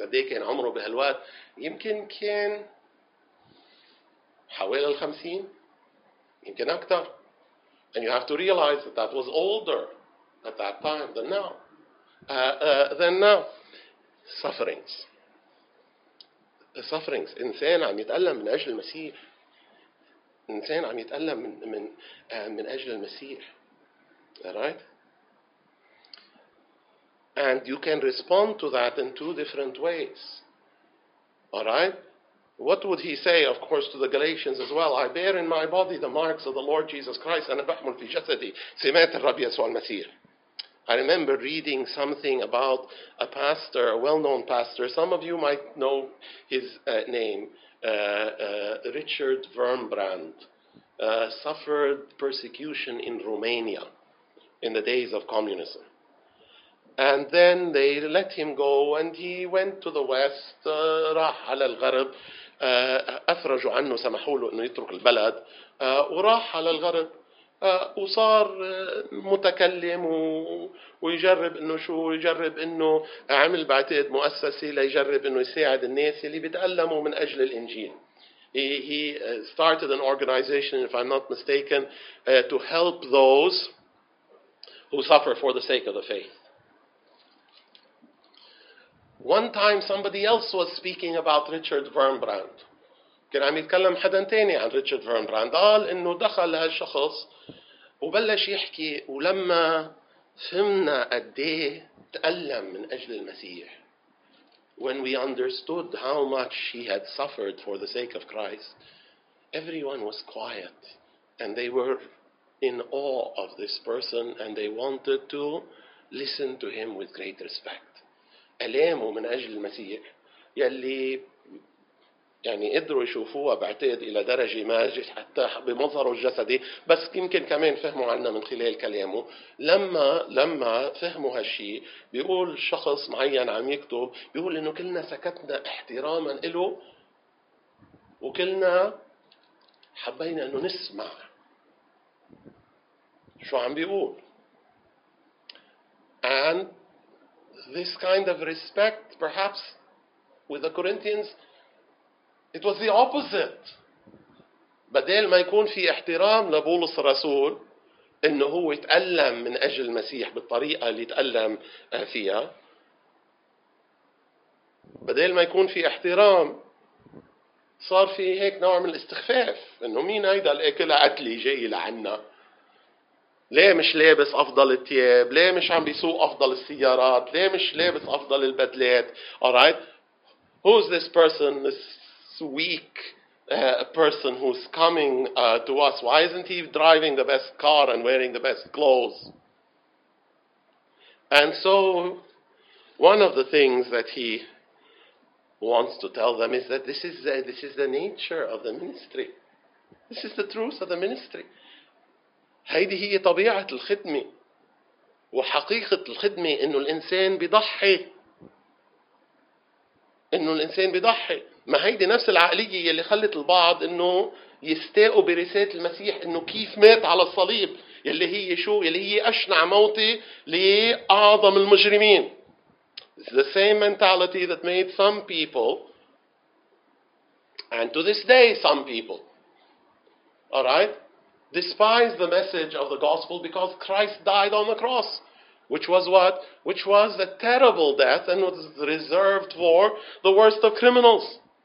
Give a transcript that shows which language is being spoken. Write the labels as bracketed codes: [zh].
[ar] قد كان عمره بهالوقت يمكن كان حوالي الخمسين يمكن أكثر. [en] And you have to realize that that was older at that time than now. Sufferings. Sufferings. [ar] إنسان عم يتألم من أجل المسيح. إنسان عم يتألم من أجل المسيح. [en] Right? And you can respond to that in two different ways. Alright? What would he say, of course, to the Galatians as well? I bear in my body the marks of the Lord Jesus Christ and [ar] بحمل في جسدي سمات الرب يسوع المسيح. [en] I remember reading something about a pastor, a well-known pastor. Some of you might know his name, Richard Wurmbrand, suffered persecution in Romania in the days of communism. And then they let him go, and he went to the West, [ar] راح على الغرب, أفرجوا عنه, سمحوا له أنه يترك البلد, وراح على الغرب. وصار متكلم ويجرب انه شو يجرب انه عمل بعتقد مؤسسة ليجرب انه يساعد الناس اللي بتألموا من اجل الانجيل. [en] He started an organization, if I'm not mistaken, to help those who suffer for the sake of the faith. One time somebody else was speaking about Richard Wurmbrand. [ar] كان عم يتكلم حدا تاني عن ريتشارد فيرنبراند. قال انه دخل هالشخص وبلش يحكي ولما فهمنا قديه تألم من أجل المسيح. [en] When we understood how much he had suffered for the sake of Christ, everyone was quiet and they were in awe of this person and they wanted to listen to him with great respect. [ar] ألامه من أجل المسيح يلي يعني قدروا يشوفوها بعتقد إلى درجة ما حتى بمظهره الجسدي بس يمكن كمان فهموا عنا من خلال كلامه. لما فهموا هالشي بيقول شخص معين عم يكتب بيقول إنه كلنا سكتنا احتراما إله وكلنا حبينا إنه نسمع شو عم بيقول. [en] And this kind of respect perhaps with the Corinthians, it was the opposite. [ar] بدل ما يكون في احترام لبولس الرسول انه هو يتألم من اجل المسيح بالطريقة اللي يتألم فيها. بدل ما يكون في احترام صار في هيك نوع من الاستخفاف انه مين هيدا اللي اكلها قتلي جاي لعنا. ليه مش لابس افضل التياب؟ ليه مش عم بيسوق افضل السيارات؟ ليه مش لابس افضل البدلات؟ Alright. [en] Who's this person? Weak person who's coming to us. Why isn't he driving the best car and wearing the best clothes? And so one of the things that he wants to tell them is that this is the nature of the ministry. This is the truth of the ministry. [ar] هيدي هي طبيعة الخدمة وحقيقة الخدمة إنه الإنسان بيضحي. إنه الإنسان بيضحي. ما هيدي نفس العقلية اللي خلت البعض إنه يستاءوا برسالة المسيح إنه كيف مات على الصليب اللي هي شو اللي هي أشنع موتي لأعظم المجرمين. [en] It's the same mentality that made some people and to this day some people, alright, despise the message of the gospel because Christ died on the cross. Which was what? Which was a terrible death and was reserved for the worst of criminals.